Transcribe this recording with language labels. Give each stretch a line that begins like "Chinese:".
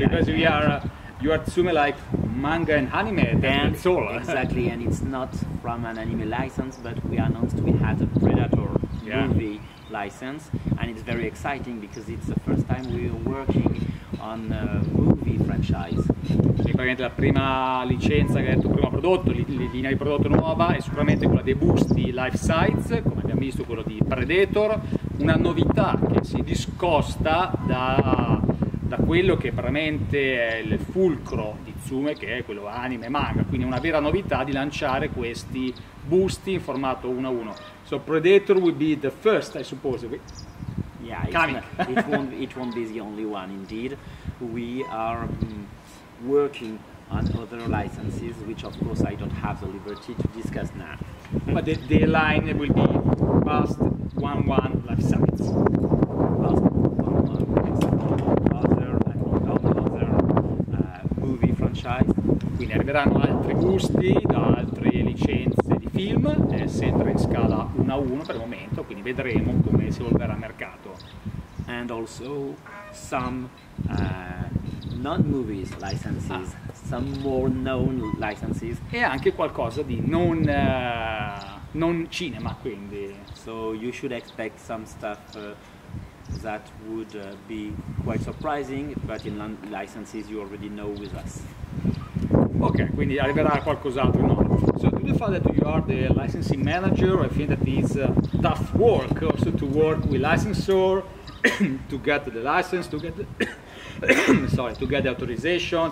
English: because high-end. you are Tsume like manga and anime, and that's all. Exactly, and it's not from an anime license, but we announced we had a Predator movie license, and it's very exciting because it's the first time we are working on a movie franchise.
Italian: Sicuramente la prima licenza, che è il tuo primo prodotto, linea di prodotto nuova, è sicuramente quella dei busti life size, come abbiamo visto quello di Predator, una novità che si discosta da quello che veramente è il fulcro di Tsume, che è quello anime e manga, quindi una vera novità di lanciare questi busti in formato 1-1.
English: So Predator will be the first, I suppose. Yeah, it won't be the only one, indeed. We are working on other licenses, which of course I don't have the liberty to discuss now. But the line will be past 1-1 life science. Past 1-1 life science. Other movie franchise.
Italian: Quindi arriveranno altri gusti da altre licenze di film, sempre in scala 1-1 per il momento, quindi vedremo come si evolverà il mercato.
English: And also some non movies licenses, some more known licenses.
Italian: E anche qualcosa di non non cinema, quindi.
English: So you should expect some stuff that would be quite surprising, but in licenses you already know with us.
Italian: Ok, quindi arriverà qualcos'altro, no?
English: So due the fact that you are the licensing manager, I think that it's tough work also to work with licensor to get the license, to get the sorry, to get the authorization.